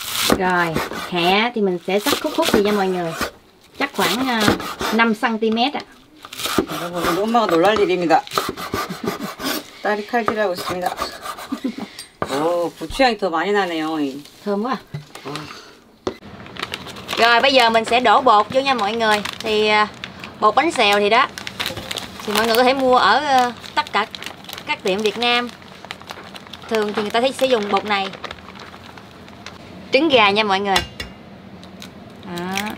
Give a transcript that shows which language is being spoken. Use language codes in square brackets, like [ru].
[ko] 그럼 [vi] 해 thì mình sẽ cắt khúc khúc đi nha mọi người. Chắc khoảng 5cm. [ko] 여러분, 우리 엄마가 놀랄 일입니다. 딸이 칼질하고 있습니다. 오, 부추향이 더 많이 나네요. 더 뭐야? [vi] Rồi bây giờ mình sẽ đổ bột vô nha mọi người. Thì bột bánh xèo thì đó. Thì mọi người có thể mua ở tất cả các tiệm Việt Nam. Thường thì người ta thấy sẽ dùng bột này. Trứng gà nha mọi người. Đó.